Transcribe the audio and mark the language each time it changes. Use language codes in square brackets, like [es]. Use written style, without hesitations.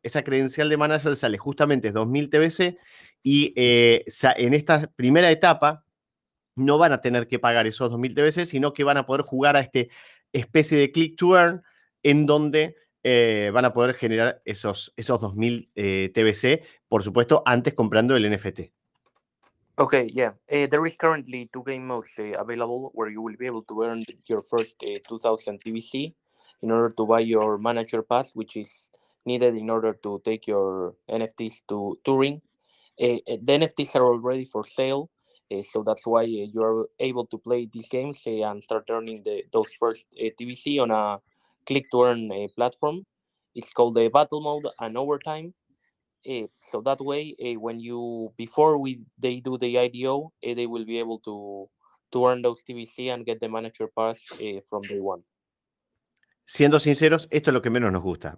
[es] Esa credencial de manager sale justamente 2.000 TBC y en esta primera etapa no van a tener que pagar esos 2.000 TBC, sino que van a poder jugar a este especie de click to earn en donde van a poder generar esos 2.000 TBC, por supuesto, antes comprando el NFT. [en] Okay, yeah. There is currently two game modes available where you will be able to earn your first 2,000 TBC in order to buy your manager pass, which is needed in order to take your NFTs to touring. The NFTs are already for sale, so that's why you are able to play these games and start earning those first TBC on a click-to-earn platform. It's called the battle mode and overtime. So that way, before they do the IDO, they will be able to earn those TBC and get the manager pass from day one. [es] Siendo sinceros, esto es lo que menos nos gusta.